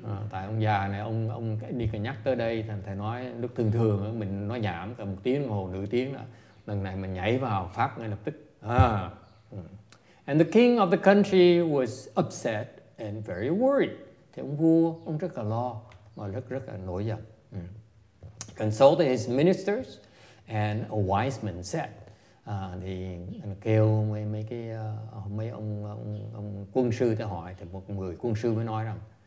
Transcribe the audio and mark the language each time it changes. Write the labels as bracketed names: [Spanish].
[Vietnamese] Tại ông già này, ông đi cả nhắc tới đây, thầy nói lúc thường thường mình nói nhảm cả một tiếng đồng hồ, nửa tiếng đó. Lần này mình nhảy vào phát ngay lập tức. [English] And the king of the country was upset and very worried. [Vietnamese] Thì ông vua, ông rất là lo, mà rất rất là nổi giận. [English] Consulted his ministers and a wise man said, [Vietnamese] thì anh kêu mấy ông quân sư tới hỏi, thì một người quân sư mới nói rằng,